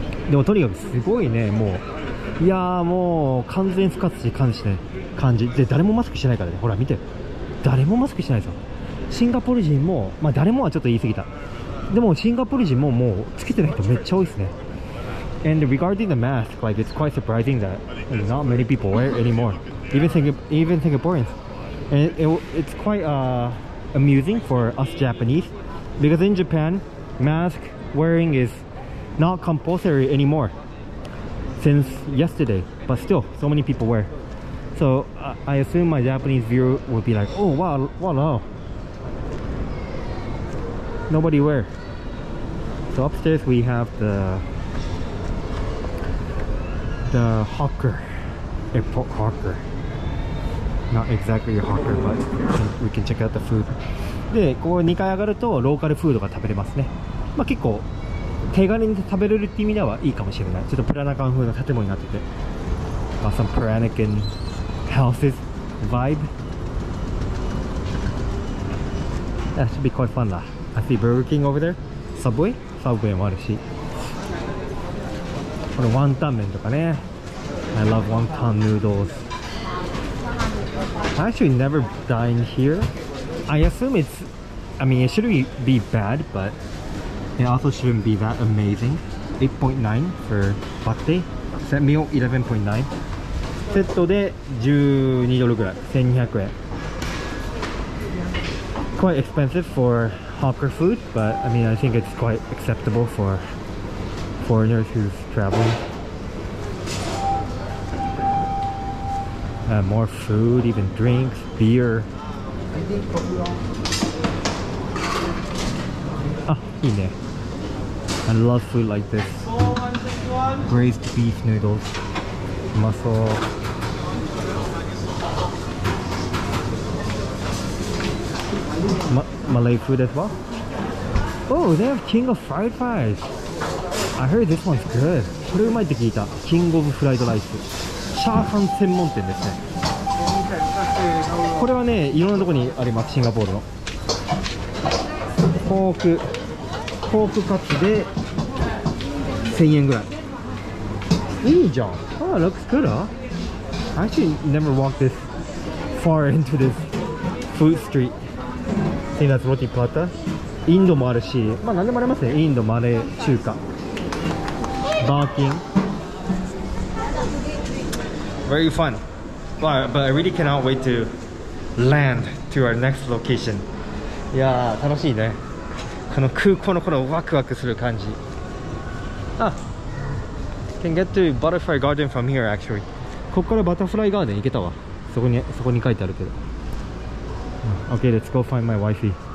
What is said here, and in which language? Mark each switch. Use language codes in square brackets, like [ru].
[ja] でもとにかくすごいね、もう。いやー、もう完全復活し感じしない感じで、誰もマスクしてないからね。ほら見て、誰もマスクしてないですよ。シンガポール人も、まあ誰もはちょっと言い過ぎた、でもシンガポール人ももうつけてない人めっちゃ多いですね。 [en] And regarding the mask, like it's quite surprising that not many people wear it anymore, even Singaporeans. And it's quite amusing for us JapaneseBecause in Japan, mask wearing is not compulsory anymore since yesterday, but still, so many people wear. So, I assume my Japanese viewer would be like, oh, wow. Nobody wear. So upstairs we have the hawker, airport hawker. Not exactly a hawker, but we can check out the food. [ja] で、こう2階上がるとローカルフードが食べれますね。まあ結構手軽に食べれるって意味ではいいかもしれない。ちょっとプラナカン風の建物になってて、 [en] まあ、some Peranakan houses vibe. That should be quite fun, lah. I see Burger King over there. Subway? Subway [ja] もあるし、このワンタン麺とかね。 [en] I love wonton noodles. I actually never dine hereI assume it's, I mean, it shouldn't be bad, but it also shouldn't be that amazing. 8.9 for batte. Set meal 11.9. [ja] セットで12ドルぐらい、1200円。 [en] Quite expensive for hawker food, but I mean, I think it's quite acceptable for foreigners who's traveling. More food, even drinks, beer. [ja] いいね。 [en] I love food like this. Braised beef noodles. [ja] うまそう。 [en] Malay food as well? Oh, they have King of Fried Rice. I heard this one's good. [ja] これうまいって聞いた。 King of Fried Rice。チャーハン専門店ですね。これはね、いろんなとこにあります、シンガポールの。ポークカツで1000円ぐらい。いいじゃん。 [en] Oh, it looks good, huh? I actually never walked this far into this food street. Think that's roti prata. [ja] インドもあるし、まあ何でもありますね。インド、マレー、中華。バーキン。 [en] Very fun. But I really cannot wait to land to our next location. [ja] いやー、楽しいね。この空港のこのワクワクする感じ。 [en] あ、can get to Butterfly Garden from here actually. [ja] こっからバタフライガーデン行けたわ。そこに書いてあるけど。 [en] Okay, let's go find my wifey.